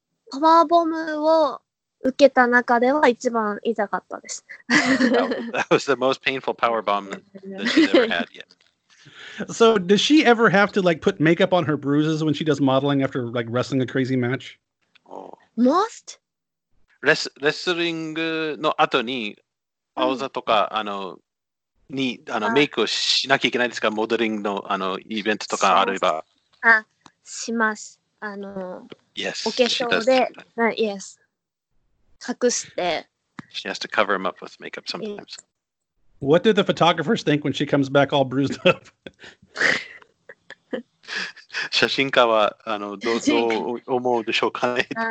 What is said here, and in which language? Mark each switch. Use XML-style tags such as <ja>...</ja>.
<ja>パワーボムを受けた中では一番痛かったです。</ja> <en>That was the most painful power bomb that she's ever had yet. So does she ever have to like put makeup on her bruises when she does modeling after like wrestling a crazy match? Must?</en> <ja>レスリングの後に青座とか、うん、あのにあのメイクをしなきゃいけないですか、モデリングのあのイベントとかあれば。あ、します。あの、</ja> <en>yes,</en> <ja>お化粧で、</ja> <en>yes.</en> <ja>隠して。</ja> <en>She has to cover him up with makeup sometimes. What do the photographers think when she comes back all bruised up?</en> <ja>写真家はあのどう思うでしょうかね。</ja>